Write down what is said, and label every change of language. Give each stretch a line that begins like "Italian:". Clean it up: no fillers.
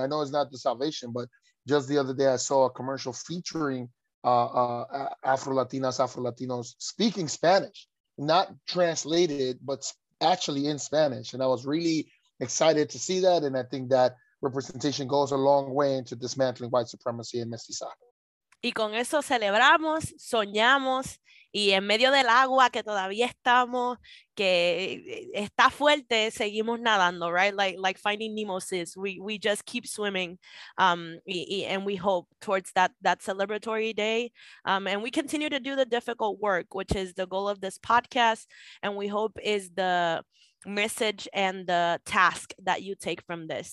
English: I know it's not the salvation, but just the other day I saw a commercial featuring Afro-Latinas, Afro-Latinos speaking Spanish, not translated, but actually in Spanish. And I was really excited to see that. And I think that representation goes a long way into dismantling white supremacy and mestizaje.
Spanish: Y con eso celebramos, soñamos, y en medio del agua que todavía estamos, que está fuerte, seguimos nadando, right?
English: Like finding Nemo says, we just keep swimming, and we hope towards that celebratory day, and we continue to do the difficult work, which is the goal of this podcast, and we hope is the message and the task that you take from this.